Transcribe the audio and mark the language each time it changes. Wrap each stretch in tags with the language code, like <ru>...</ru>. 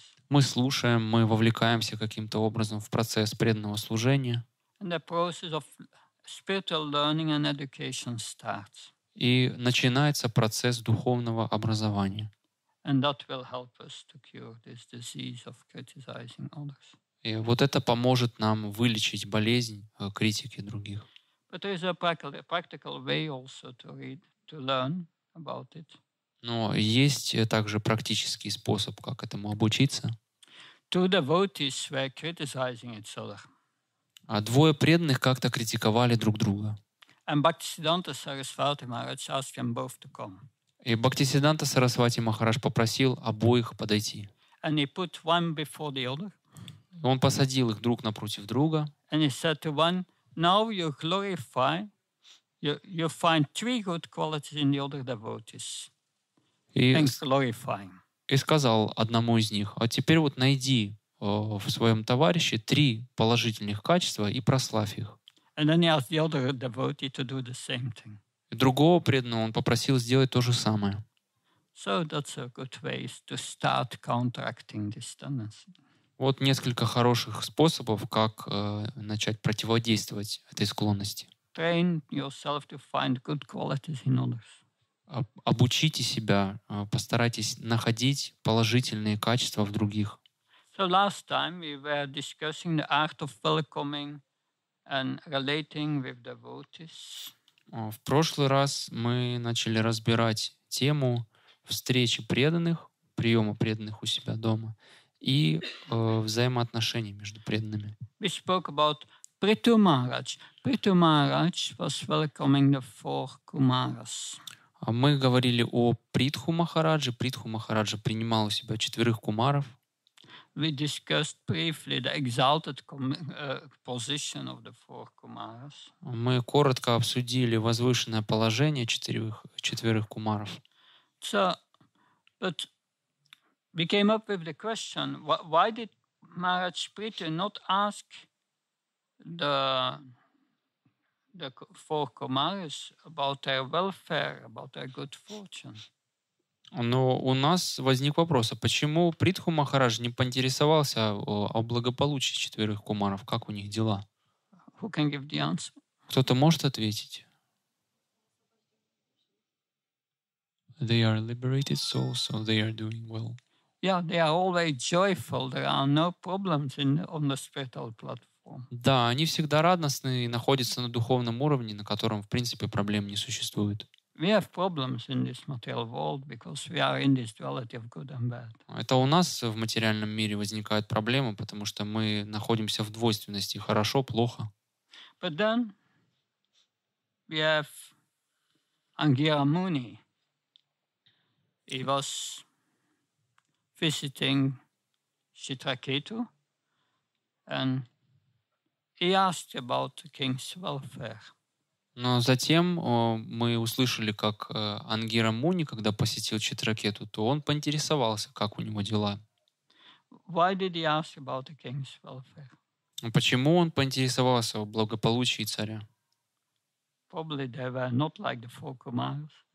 <ru>Мы слушаем, мы вовлекаемся каким-то образом в процесс преданного служения.</ru> <en>And the process of spiritual learning and education starts.</en> <ru>И начинается процесс духовного образования.</ru> <en>And that will help us to cure this disease of criticizing others.</en> <ru>И вот это поможет нам вылечить болезнь критики других.</ru> <en>But there is a practical way also to read, to learn about it.</en> <ru>Но есть также практический способ, как этому обучиться.</ru> <en>Two devotees were criticizing each other.</en> <ru>А двое преданных как-то критиковали друг друга.</ru> <en>And Bhaktisiddhanta Sarasvati Maharaj asked them both to come.</en> <ru>И Бхактисиддханта Сарасвати Махарадж попросил обоих подойти.</ru> <en>And he put one before the other.</en> <ru>Он посадил их друг напротив друга.</ru> <en>And he said to one, now you glorify, you find 3 good qualities in the other devotees.</en> <ru>И сказал одному из них, а теперь вот найди в своем товарище 3 положительных качества и прославь их.</ru> <en>And then he asked the other devotee to do the same thing.</en> <ru>И другого преданного он попросил сделать то же самое.</ru> <en>So that's a good way to start counteracting this tendency.</en> <ru>Вот несколько хороших способов, как начать противодействовать этой склонности.</ru> <en>Train yourself to find good qualities in others.</en> <ru>Обучите себя, постарайтесь находить положительные качества в других.</ru> <en>So last time we were discussing the art of welcoming and relating with devotees.</en> <ru>В прошлый раз мы начали разбирать тему встречи преданных, приема преданных у себя дома и взаимоотношений между преданными.</ru> <en>We spoke about Prithu Maharaj. Prithu Maharaj was welcoming the 4 Kumaras.</en> <ru>Мы говорили о Притху Махарадже. Притху Махарадже принимал у себя 4 кумаров.</ru> <en>we discussed briefly the exalted position of the four kumaras.</en> <ru>Мы коротко обсудили возвышенное положение четверых кумаров.</ru> <en>So, but we came up with the question: why did Maharajpriti not ask the four kumaras about their welfare, about their good fortune?</en> <ru>Но у нас возник вопрос, а почему Притху Махарадж не поинтересовался о благополучии четверых кумаров? Как у них дела?</ru> <en>Who can give the answer?</en> <ru>Кто-то может ответить?</ru> <en>They are liberated souls, so they are doing well. Yeah, they are always joyful. There are no problems on the spiritual platform.</en> <ru>Да, они всегда радостны и находятся на духовном уровне, на котором, в принципе, проблем не существует.</ru> <en>We have problems in this material world because we are in this duality of good and bad.</en> <ru>Это у нас в материальном мире возникают проблемы, потому что мы находимся в двойственности: хорошо, плохо.</ru> <en>But then we have Angira Muni. He was visiting Chitraketu, and he asked about the king's welfare.</en> <ru>Но затем мы услышали, как Ангира Муни, когда посетил Читракету, то он поинтересовался, как у него дела.</ru> <en>Why did he ask about the king's welfare?</en> <ru>Почему он поинтересовался о благополучии царя?</ru> <en>Probably they were not like the four kumaras.</en>